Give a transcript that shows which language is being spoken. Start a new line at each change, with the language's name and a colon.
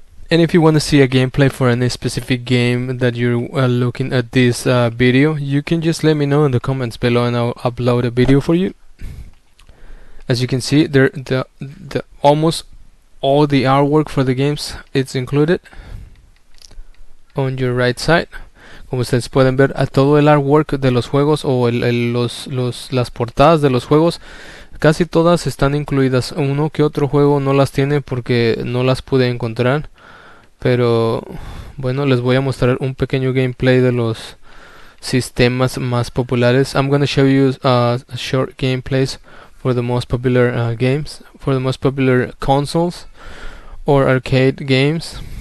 English: And if you want to see a gameplay for any specific game that you're looking at this video, you can just let me know in the comments below and I'll upload a video for you. As you can see, there the almost all the artwork for the games is included on your right side.
Spanish: Como ustedes pueden ver, a todo el artwork de los juegos o las portadas de los juegos, casi todas están incluidas. Uno que otro juego no las tiene porque no las pude encontrar. Pero bueno, les voy a mostrar un pequeño gameplay de los sistemas más populares.
English: I'm going to show you short gameplays for the most popular games, for the most popular consoles or arcade games.